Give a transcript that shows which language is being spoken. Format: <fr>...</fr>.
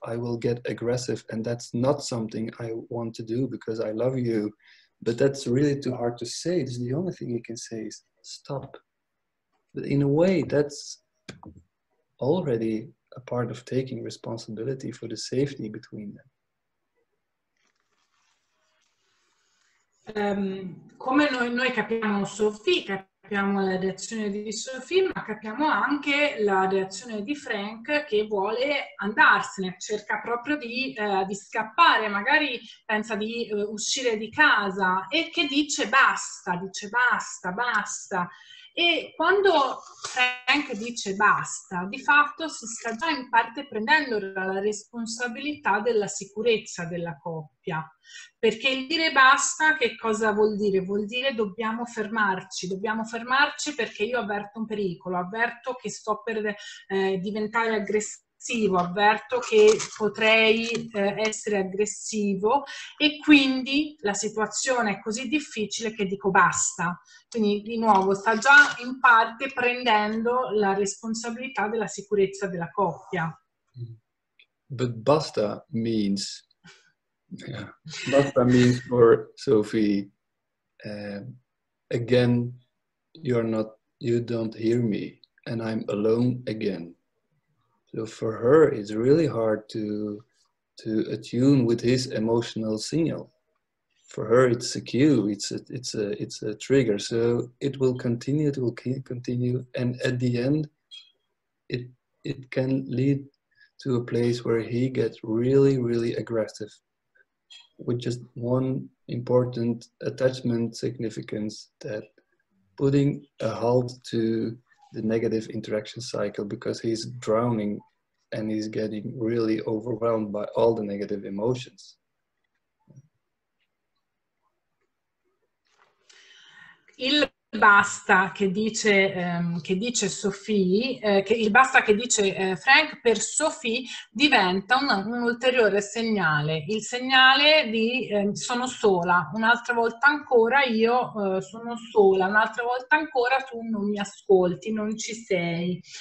<en>I will get aggressive, and that's not something I want to do because I love you. But that's really too hard to say. It's the only thing you can say is stop. But in a way, that's already a part of taking responsibility for the safety between them.</en> <it>Come noi capiamo Sophie, capiamo la reazione di Sophie, ma capiamo anche la reazione di Frank, che vuole andarsene, cerca proprio di scappare, magari pensa di uscire di casa e che dice basta, basta. E quando Frank dice basta, di fatto si sta già in parte prendendo la responsabilità della sicurezza della coppia. Perché il dire basta che cosa vuol dire? Vuol dire dobbiamo fermarci perché io avverto un pericolo, avverto che sto per diventare aggressivo, avverto che potrei essere aggressivo e quindi la situazione è così difficile che dico basta. Quindi di nuovo sta già in parte prendendo la responsabilità della sicurezza della coppia.</it> <en>But basta means... Yeah, basta means for Sophie, again, you don't hear me, and I'm alone again. So for her, it's really hard to attune with his emotional signal. For her, it's a cue, it's a trigger. So it will continue, and at the end, it can lead to a place where he gets really, really aggressive. With just one important attachment significance, that putting a halt to the negative interaction cycle, because he's drowning and he's getting really overwhelmed by all the negative emotions.</en> <it>Basta che dice Sophie, che il basta che dice Frank per Sophie diventa un ulteriore segnale, il segnale di sono sola, un'altra volta ancora io sono sola, un'altra volta ancora tu non mi ascolti, non ci sei.</it>